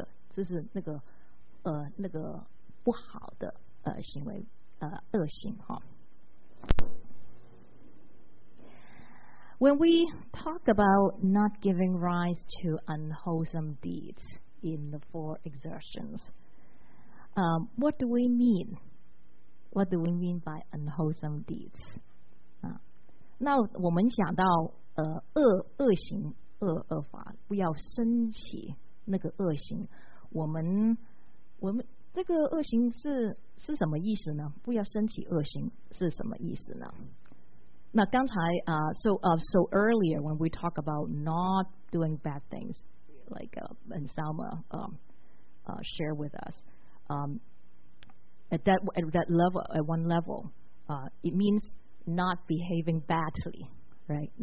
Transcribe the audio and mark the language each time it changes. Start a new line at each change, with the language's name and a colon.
Chinese: 就是那个不好的行为恶行哈。
English: When we talk about not giving rise to unwholesome deeds in the four exertions, what do we mean? What do we mean by unwholesome deeds?
Chinese: 那我们想到恶行恶法，不要升起那个恶行。我们这个恶行是什么意思呢？不要升起恶行是什么意思呢？那刚才
English: so earlier when we talk about not doing bad things, like Anselma share with us, at that level, at one level, it means not behaving badly, right?